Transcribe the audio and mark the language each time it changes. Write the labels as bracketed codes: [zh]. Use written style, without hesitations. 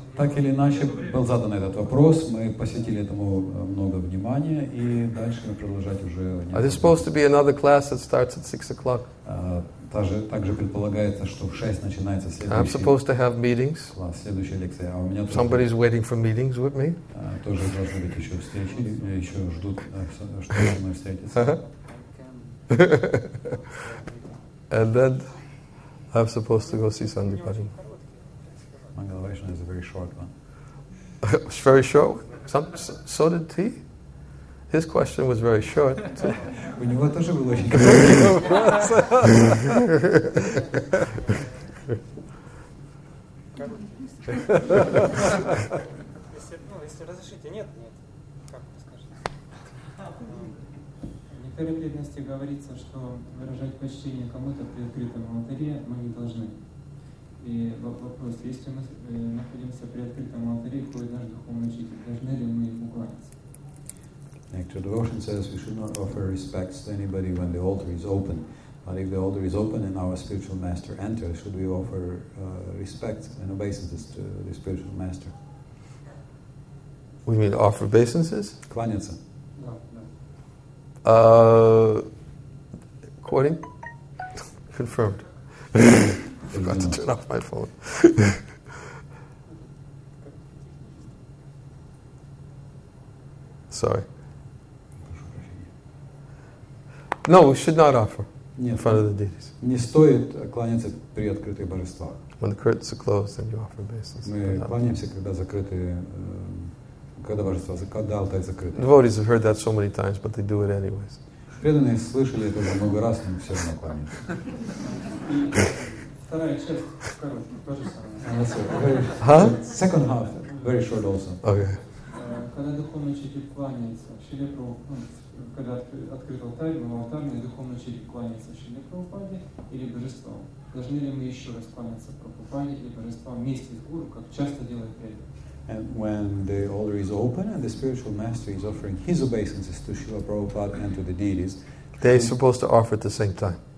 [ru] Так или иначе был задан этот вопрос. Мы посвятили этому много внимания, и дальше мы продолжать уже. [en] There's supposed to be another class that starts at 6:00. [ru] Также предполагается, что в 6 начинается следующий. [en] I'm supposed to have meetings. [ru] Класс, следующая лекция. А у меня [en] somebody's waiting for meetings with me. [ru] Тоже должны быть еще встречи. Еще ждут, чтобы со мной встретиться. Uh-huh. [en] And then I'm supposed to go see Sandipati. Mangalavaishnava is a very short one. It's very short. So did he. His question was very short. [ru] У него тоже был очень короткий вопрос. Если разрешите, нет. Как вы скажете? В некоторых ведомостях говорится, что выражать почтение кому-то при открытом алтаре мы не должны. И вопрос, если мы находимся при открытом алтаре, ходит наш духовный учитель, должны ли мы ему кланяться? [en] Nectar Devotion says we should not offer respects to anybody when the altar is open. But if the altar is open and our spiritual master enters, should we offer respect and obeisances to the spiritual master? We mean offer obeisances? Kvanyasa. No. Quoting? Confirmed. Forgot to turn off my phone. Sorry. No, we should not offer in front of the deities. [ru] Не стоит кланяться при открытых божествах. [en] When the curtains are closed, then you offer obeisances. [ru] Мы кланяемся, когда закрыты, когда божества, когда алтарь закрыт. [en] Devotees have heard that so many times, but they do it anyways. [ru] Преданные слышали это много раз, но все равно кланяются. Вторая часть, тоже самое. [en] Second half, very short also. Okay. [ru] Когда духовный учитель кланяется, Шиле Прабхупаде, когда открыт алтарь, был алтарный, духовный учитель кланяется Шиле Прабхупаде или божеством. Должны ли мы еще раз кланяться Прабхупаде или божеством вместе с гуру, как часто делает преданный? [en] And when the altar is open and the spiritual master is offering his obeisances to Srila Prabhupada and to the deities, they are supposed to offer at the same time.